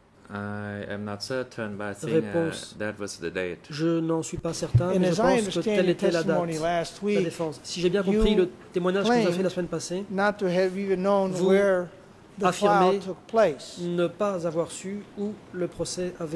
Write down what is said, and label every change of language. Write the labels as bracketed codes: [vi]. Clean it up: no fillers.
[en] I am not certain, but I think réponse, that was the date. [fr] Je n'en suis pas certain, mais je pense que telle était la date. [en] Last week, [fr] la défense. Si j'ai bien compris le témoignage que vous avez fait la semaine passée, [en] not to have even known where the trial took place. [fr] Ne pas avoir su où le procès avait